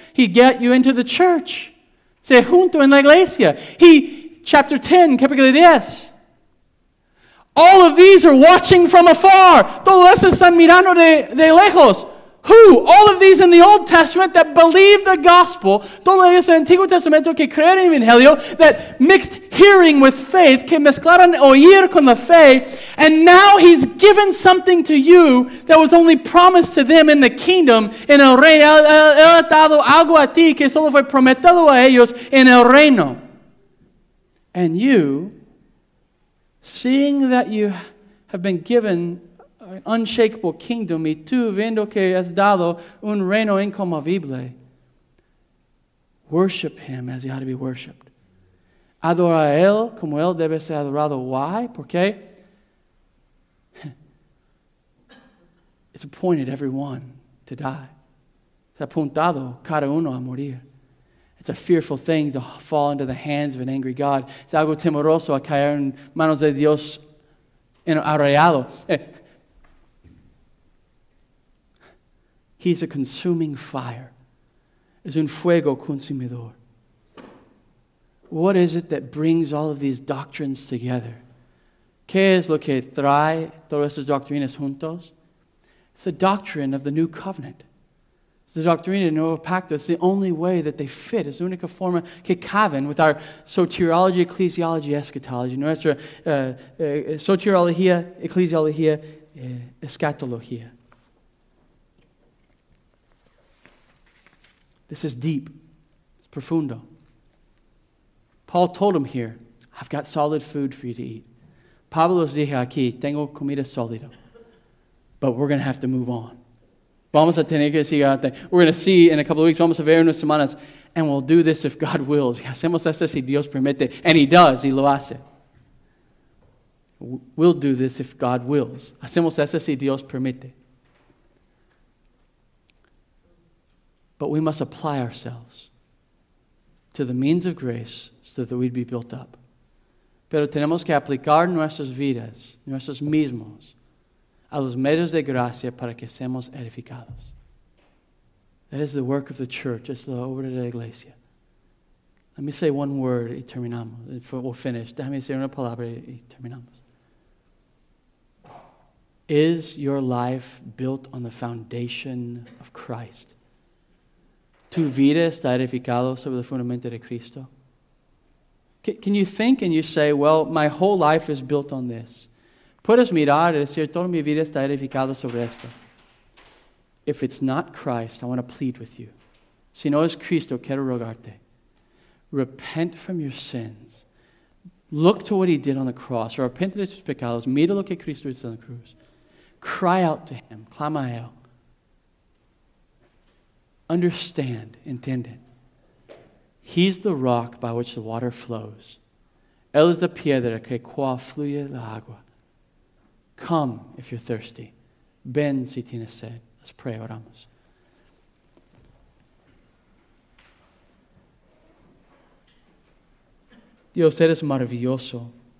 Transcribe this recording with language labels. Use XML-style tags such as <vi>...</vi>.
<en>He get you into the church.</en> <es>Se junto en la iglesia.</es> <en>He, chapter 10,</en> <es>capítulo 10.</es> <en>All of these are watching from afar.</en> <es>Todos estos están mirando de lejos.</es> <en>Who? All of these in the Old Testament that believed the gospel.</en> <es>Todos ellos en el Antiguo Testamento que creyeron el Evangelio.</es> <en>That mixed hearing with faith.</en> <es>Que mezclaron oír con la fe.</es> <en>And now he's given something to you that was only promised to them in the kingdom.</en> <es>En el reino. Él ha dado algo a ti que solo fue prometido a ellos en el reino.</es> <en>And you, seeing that you have been given an unshakable kingdom,</en> <es>y tú viendo que has dado un reino inconmovible,</es> <en>worship him as he ought to be worshipped.</en> <es>Adora a él como él debe ser adorado.</es> <en>Why?</en> <es>¿Por qué?</es> <en>It's appointed everyone to die.</en> <es>Es apuntado cada uno a morir.</es> <en>It's a fearful thing to fall into the hands of an angry God.</en> <es>Es algo temeroso a caer en manos de Dios enrayado.</es> <en>He's a consuming fire.</en> <es>Es un fuego consumidor.</es> <en>What is it that brings all of these doctrines together?</en> <es>¿Qué es lo que trae todas estas doctrinas juntos?</es> <en>It's the doctrine of the new covenant. The doctrine of the Nuevo Pacto is the only way that they fit. It's the</en> <es>única forma que caben</es> <en>with our soteriology, ecclesiology, eschatology.</en> <es>Nuestra soteriología, ecclesiología, eschatología.</es> <en>This is deep. It's profundo. Paul told him here, I've got solid food for you to eat.</en> <es>Pablo os dije aquí, tengo comida sólida.</es> <en>But we're going to have to move on.</en> <es>Vamos a tener que seguir adelante.</es> <en>We're going to see in a couple of weeks,</en> <es>vamos a ver en unas semanas,</es> <en>and we'll do this if God wills.</en> <es>Y hacemos esto si Dios permite.</es> <en>And he does,</en> <es>y lo hace.</es> <en>We'll do this if God wills.</en> <es>Hacemos esto si Dios permite.</es> <en>But we must apply ourselves to the means of grace so that we'd be built up.</en> <es>Pero tenemos que aplicar nuestras vidas, nuestros mismos, a los medios de gracia para que seamos edificados.</es> <en>That is the work of the church. It's the</en> <es>obra de la iglesia.</es> <en>Let me say one word</en> <es>y terminamos.</es> <en>We'll finish.</en> <es>Déjame decir una palabra y terminamos.</es> <en>Is your life built on the foundation of Christ?</en> <es>¿Tu vida está edificada sobre el fundamento de Cristo?</es> <en>Can you think and you say, well, my whole life is built on this.</en> <es>Puedes mirar y decir, toda mi vida está edificada sobre esto.</es> <en>If it's not Christ, I want to plead with you.</en> <es>Si no es Cristo, quiero rogarte.</es> <en>Repent from your sins. Look to what he did on the cross.</en> <es>Repent de sus pecados. Mira lo que Cristo hizo en la cruz.</es> <en>Cry out to him.</en> <es>Clama a él.</es> <en>Understand. Entiende. He's the rock by which the water flows.</en> <es>Él es la piedra que cual fluye la agua.</es> <en>Come if you're thirsty.</en> <es>Ven si tienes sed.</es> <en>Let's pray, oramos.</en> <es>Dios, eres maravilloso.</es>